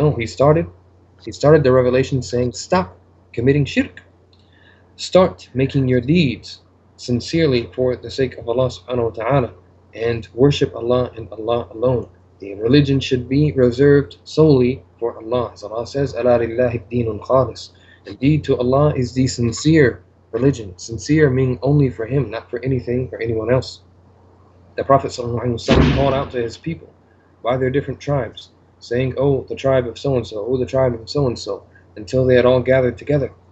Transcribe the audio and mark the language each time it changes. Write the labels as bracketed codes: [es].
[en] No, He started the revelation saying, stop committing shirk. Start making your deeds sincerely for the sake of Allah subhanahu wa ta'ala and worship Allah and Allah alone. The religion should be reserved solely for Allah. As Allah says, [ar] أَلَا لِلَّهِ الدِّينُ الْخَالِصُ. [en] Indeed, to Allah is the sincere religion. Sincere meaning only for Him, not for anything or anyone else. The Prophet ﷺ called out to his people by their different tribes, saying, oh, the tribe of so-and-so, oh, the tribe of so-and-so, until they had all gathered together.